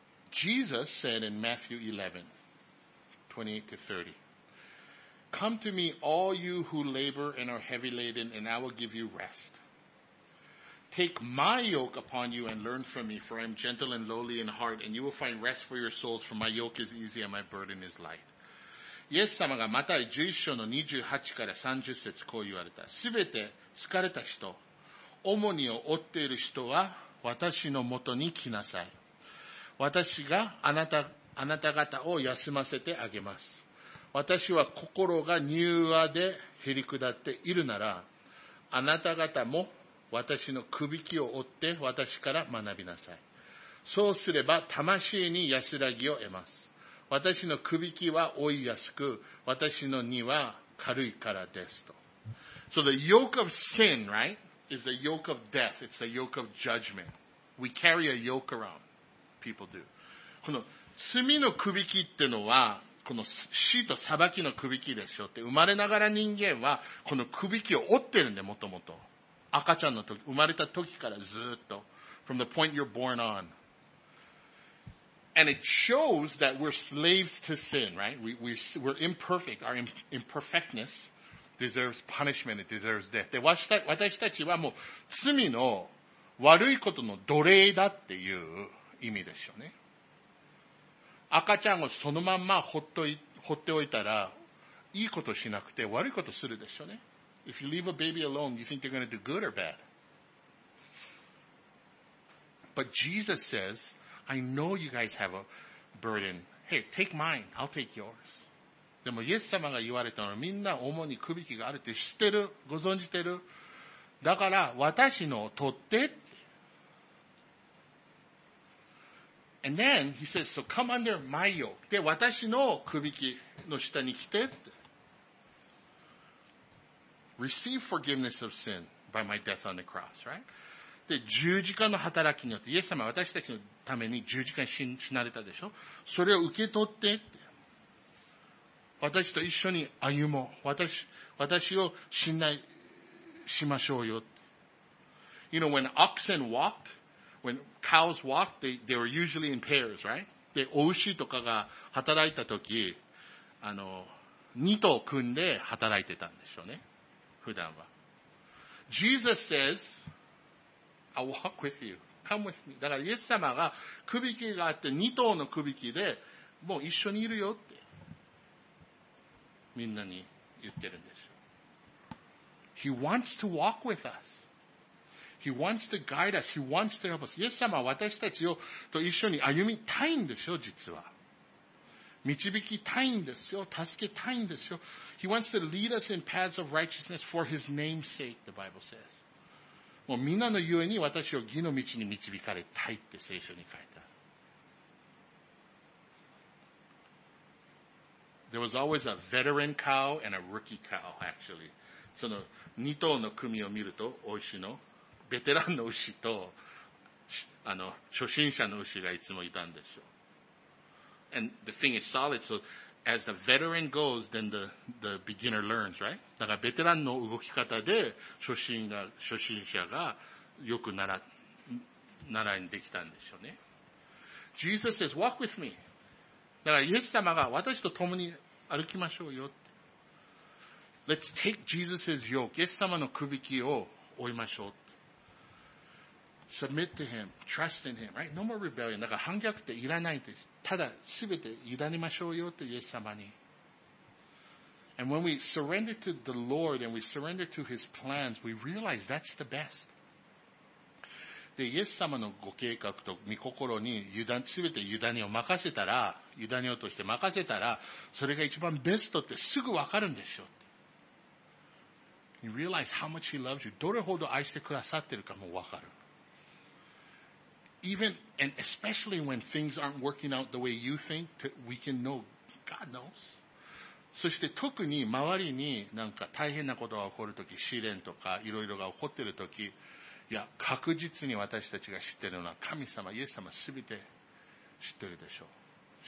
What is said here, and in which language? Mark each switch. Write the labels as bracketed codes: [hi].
[en] Jesus said in Matthew 11, 28-30, Come to me, all you who labor and are heavy laden, and I will give you rest. Take my yoke upon you and learn from me, for I am gentle and lowly in heart, and you will find rest for your souls, for my yoke is easy and my burden is light. [ja] イエス様がマタイ11章の28から30節こう言われた。すべて疲れた人、重荷を負っている人は私のもとに来なさい。私があなた方を休ませてあげます。私は心が柔和でへり下っているなら、あなた方も私のくびきを負って私から学びなさい。そうすれば魂に安らぎを得ます。私のくびきは負いやすく、私の荷は軽いからですと。 [en] So the yoke of sin, right, is the yoke of death. It's the yoke of judgment. We carry a yoke around. People do. [ja] この罪のくびきってのは、この死と裁きのくびきでしょって、生まれながら人間は、このくびきを負ってるんで、もともと。赤ちゃんの時、生まれた時からずっと。 [en] From the point you're born on. And it shows that we're slaves to sin, right? We're imperfect. Our imperfectness deserves punishment. It deserves death. [ja] で、私たちはもう罪の悪いことの奴隷だっていう意味でしょうね。赤ちゃんをそのまんま放っておいたら、いいことしなくて悪いことするでしょうね。 [en] If you leave a baby alone, you think they're going to do good or bad. But Jesus says,I know you guys have a burden. Hey, take mine. I'll take yours. [ja] でもイエス様が言われたのはみんな主にくびきがあるって知ってる。ご存じてる。だから私の取って。 [en] And then he says, so come under my yoke. [ja] で、私のくびきの下に来て。 [en] Receive forgiveness of sin by my death on the cross, right? [ja] で、十字架の働きによって、イエス様は私たちのために十字架に死なれたでしょ? それを受け取って、私と一緒に歩もう。私を信頼しましょうよ。 [en] You know, when oxen walked, when cows walked, they were usually in pairs, right? [ja] で、お牛とかが働いたとき、二頭組んで働いてたんでしょうね。普段は。 [en] Jesus says,I walk with you. Come with me. [ja] だから、イエス様が、くびきがあって、二頭のくびきで、もう一緒にいるよって、みんなに言ってるんですよ。 [en] He wants to walk with us. He wants to guide us. He wants to help us. [ja] イエス様は私たちをと一緒に歩みたいんですよ、実は。導きたいんですよ。助けたいんですよ。 [en] He wants to lead us in paths of righteousness for his name's sake, the Bible says. [ja] もうみんなのゆえに私を義の道に導かれたいって聖書に書いた。 [en] There was always a veteran cow and a rookie cow, actually. [ja] その2頭の組を見ると、お牛のベテランの牛と初心者の牛がいつもいたんでしょう。 [en] And the thing is solid, so as the veteran goes, then the beginner learns, right? [ja] だからベテランの動き方で初心者がよく習いにできたんでしょうね。 [en] Jesus says, walk with me. [ja] だからイエス様が私と共に歩きましょうよって。 [en] Let's take Jesus's yoke. [ja] イエス様の首輝を追いましょう。 [en] Submit to him, trust in him, right? No more rebellion. [ja] だから反逆っていらないって。ただ全て委ねましょうよってイエス様に。 [en] And when we surrender to the Lord and we surrender to his plans, we realize that's the best. [ja] で、イエス様のご計画と御心に全て委ねようとして任せたら、それが一番ベストってすぐわかるんでしょう。 [en] You realize how much he loves you. [ja] どれほど愛してくださってるかもわかる。 [en] Even and especially when things aren't working out the way you think, we can know God knows. [ja] そして特に周りになんか大変なことが起こるとき、試練とかいろいろが起こってるとき、いや確実に私たちが知ってるのは神様、イエス様すべて知ってるでしょう。